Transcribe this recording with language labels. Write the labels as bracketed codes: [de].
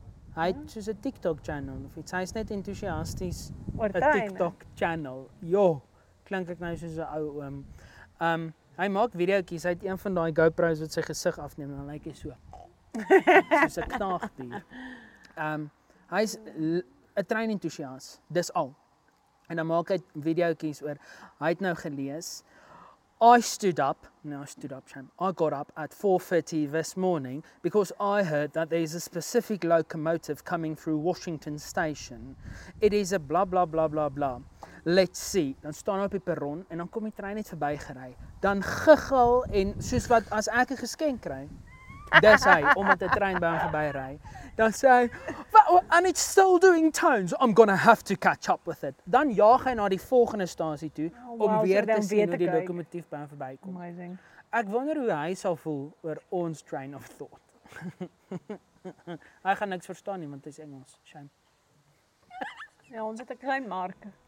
[af] Hy het soos 'n TikTok channel, of iets, hy is net enthousiasties, een TikTok channel. Jo, klink ek nou soos 'n ou oom. Hy maak video's, hy het een van die GoPros wat sy gesig afneem, en dan lyk hy so, soos 'n knaagdier. Hy is een trein enthousiast, dis al. En dan maak hy video's oor, hy het nou gelees, [en] I got up at 4:30 this morning because I heard that there is a specific locomotive coming through Washington Station. It is a blah, blah, blah, blah, blah. Let's see. [af] Dan staan op die perron en dan kom die trein net verby gery. Dan giggel en soos wat as ek 'n geskenk kry. Dis hy, omdat die trein by hom verby ry. Dan sê hy, [en] and it's still doing tones. I'm gonna have to catch up with it. [af] Dan jaag hy na die volgende stasie toe, oh, wow, om weer so te sien te hoe die lokomotief by hom verby kom. [en] Amazing. [af] Ek wonder hoe hy sal voel oor ons train of thought. Hy gaan niks verstaan nie, want hy is Engels. Shame. Ja, ons het 'n klein mark.